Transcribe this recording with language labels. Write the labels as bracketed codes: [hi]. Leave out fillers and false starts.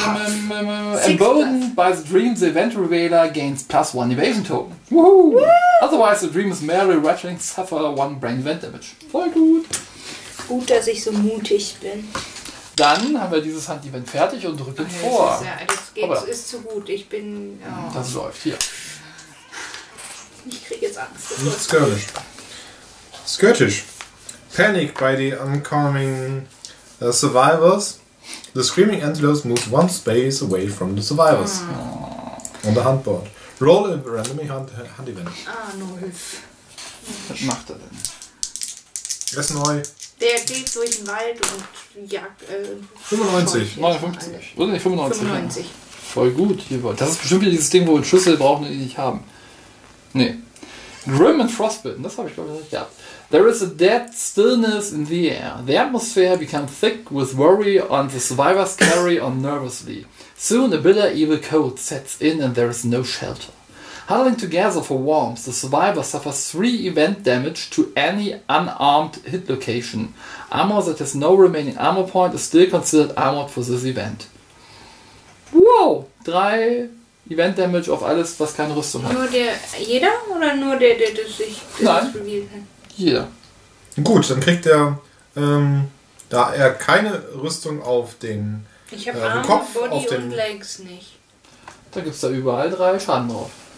[en] Emboldened by the dream, the event revealer gains +1 evasion token. Woohoo! Woo! Otherwise, the dream is merely rattling, suffer 1 brain event damage. [de] Voll gut. Gut, dass ich so mutig bin. Dann haben wir dieses Hand-Event fertig und drücken vor. Das ist zu gut. Ich bin. Oh. Das läuft hier. Ich kriege jetzt Angst. Nicht skirtisch. Skirtisch. [en] Panic by the oncoming survivors. The screaming antelope moves 1 space away from the survivors. Oh. On the hunt board. Roll a random Hand-Event. [de] Ah, Nulf. Was macht er denn? Er ist neu. Der geht durch den Wald und jagt. 95. 59. Oder nicht 95. 95. Ja. Voll gut. Das ist bestimmt wieder dieses Ding, wo wir einen Schlüssel brauchen, den wir nicht haben. Nee. Grim and Frostbitten. Das habe ich, glaube ich, nicht gehabt. [en] There is a dead stillness in the air. The atmosphere becomes thick with worry and the survivors carry on nervously. Soon a bitter evil cold sets in and there is no shelter. Huddling together for warmth, the survivor suffers 3 event damage to any unarmed hit location. Armor that has no remaining armor point is still considered armored for this event. Wow! 3 [de] Event Damage auf alles, was keine Rüstung hat. Nur der, jeder oder nur der, der das sich revealed hat? Jeder. Gut, dann kriegt er, da er keine Rüstung auf den Ich habe Arme, Kopf, Body auf den, und Legs nicht. Da gibt es da überall drei Schaden drauf.